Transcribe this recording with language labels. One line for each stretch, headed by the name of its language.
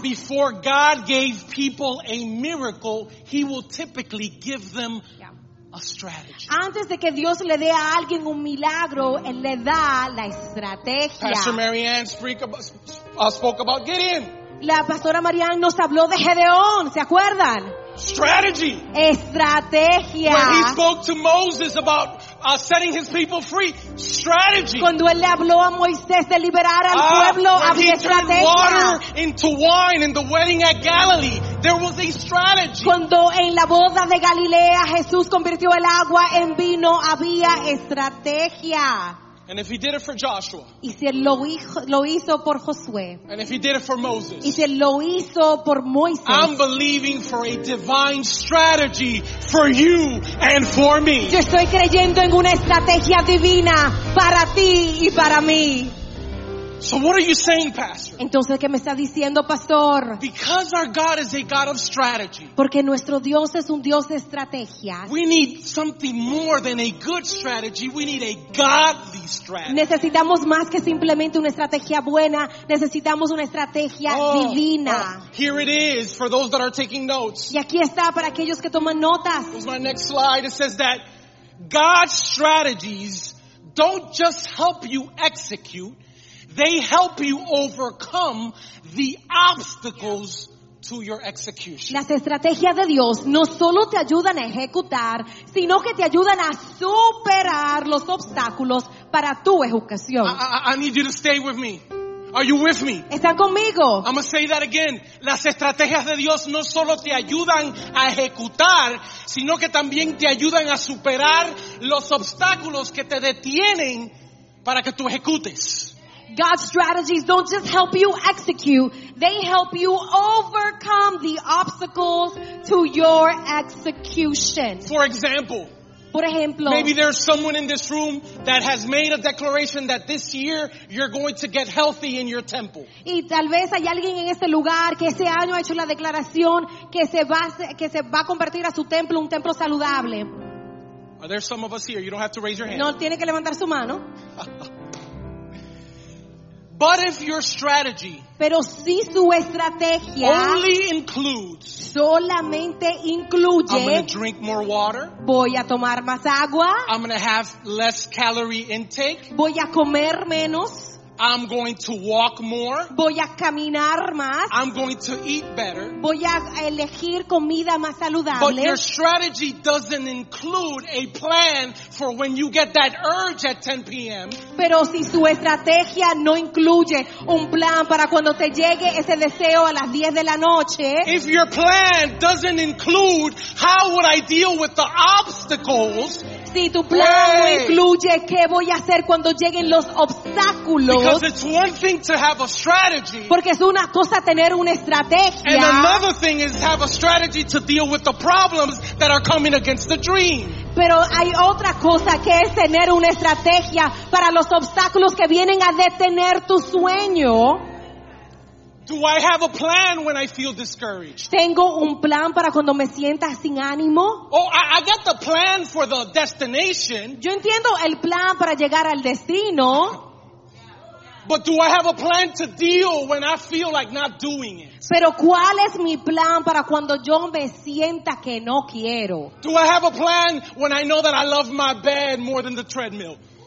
English: before God gave people a miracle, he will typically give them a strategy.
Spanish: Antes de que Dios le dé a alguien un milagro, él le da la estrategia.
English: Pastor Marianne spoke about Gideon.
Spanish: La pastora Marianne nos habló de Gedeón, ¿se acuerdan?
English: Strategy.
Spanish: Estrategia.
English: When he spoke to Moses about setting his people free, strategy.
Spanish: Cuando él le habló a Moisés de liberar al pueblo, había estrategia.
English: When he turned water into wine in the wedding at Galilee, there was a strategy.
Spanish: Cuando en la boda de Galilea Jesús convirtió el agua en vino, había estrategia.
English: And if he did it for Joshua.
Spanish: Y si él lo hizo por Josué.
English: And if he did it for Moses.
Spanish: Y si él lo hizo por Moisés.
English: I'm believing for a divine strategy for you and for me.
Spanish: Yo estoy creyendo en una estrategia divina para ti y para mí.
English: So what are you saying, Pastor?
Spanish: Entonces, ¿qué me está diciendo, Pastor?
English: Because our God is a God of strategy.
Spanish: Porque nuestro Dios es un Dios de estrategias.
English: We need something more than a good strategy. We need a godly strategy.
Spanish: Necesitamos más que simplemente una estrategia buena. Necesitamos una estrategia divina.
English: Here it is for those that are taking notes.
Spanish: Y aquí está para aquellos que toman notas.
English: This is my next slide. It says that God's strategies don't just help you execute. They help you overcome the obstacles to your execution.
Spanish: Las estrategias de Dios no solo te ayudan a ejecutar, sino que te ayudan a superar los obstáculos para tu ejecución.
English: I need you to stay with me. Are you with me?
Spanish: ¿Están conmigo?
English: I'm going to say that again.
Spanish: Las estrategias de Dios no solo te ayudan a ejecutar, sino que también te ayudan a superar los obstáculos que te detienen para que tú ejecutes.
English: God's strategies don't just help you execute, they help you overcome the obstacles to your execution. For example,
Spanish: por ejemplo,
English: maybe there's someone in this room that has made a declaration that this year you're going to get healthy in your temple.
Spanish: Y tal vez hay alguien en este lugar que ese año ha hecho la declaración que se va a convertir a su templo un templo saludable.
English: Are there some of us here? You don't have to raise your hand.
Spanish: No tiene que levantar su mano.
English: But if your strategy,
Spanish: pero si su estrategia,
English: only includes,
Spanish: solamente incluye,
English: I'm going to drink more water,
Spanish: voy a tomar más agua,
English: I'm going to have less calorie intake,
Spanish: voy a comer menos,
English: I'm going to walk more,
Spanish: voy a caminar más,
English: I'm going to eat better,
Spanish: voy a elegir comida más saludable.
English: But your strategy doesn't include a plan for when you get that urge at 10 p.m.
Spanish: Pero si su estrategia no incluye un plan para cuando te llegue ese deseo a las 10 de la noche.
English: If your plan doesn't include how would I deal with the obstacles.
Spanish: Si tu plan no incluye qué voy a hacer cuando lleguen los obstáculos.
English: Because it's one thing to have a strategy.
Spanish: Porque es una cosa tener una estrategia.
English: And another thing is to have a strategy to deal with the problems that are coming against the dream.
Spanish: Pero hay otra cosa que es tener una estrategia para los obstáculos que vienen a detener tu sueño.
English: Do I have a plan when I feel discouraged?
Spanish: ¿Tengo un plan para cuando me sienta sin ánimo?
English: Oh, I get the plan for the destination.
Spanish: Yo entiendo el plan para llegar al destino.
English: But do I have a plan to deal when I feel like not doing it?
Spanish: Pero ¿cuál es mi plan para cuando yo me sienta que no quiero?
English: Do I have a plan when I know that I love my bed more than the treadmill?